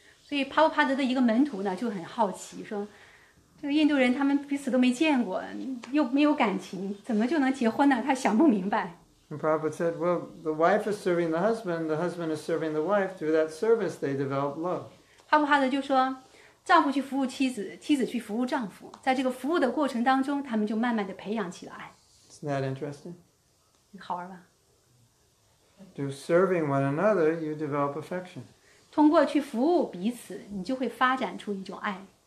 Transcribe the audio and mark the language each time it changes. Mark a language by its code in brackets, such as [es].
[zh] 所以帕帕德的一个门徒呢就很好奇，说这个印度人他们彼此都没见过，又没有感情，怎么就能结婚呢？他想不明白。 [en] And Prabhupada said, well, the wife is serving the husband is serving the wife. Through that service, they develop love. [zh] 帕布哈德就说，丈夫去服务妻子，妻子去服务丈夫，在这个服务的过程当中，他们就慢慢地培养起来。 [en] Isn't that interesting? [zh] 好玩吧？ [en] Through serving one another, you develop affection. [zh] 通过去服务彼此，你就会发展出一种爱。